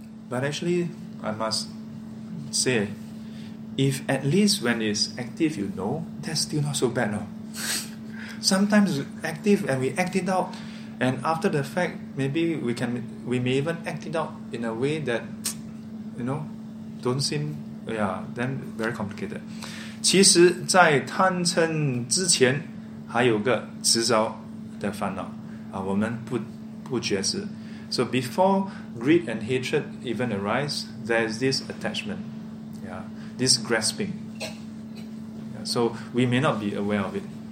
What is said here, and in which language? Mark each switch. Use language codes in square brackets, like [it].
[en] But actually, I must say, if at least when it's active, you know, that's still not so bad, no? Sometimes active and we act it out, and after the fact, maybe we may even act it out in a way that, you know, don't seem, yeah, then very complicated. [zh] 其实在贪嗔之前还有个执着的烦恼啊，我们不觉知。 [en] So before greed and hatred even arise, there's this attachment, yeah, this grasping. Yeah, so we may not be aware of it.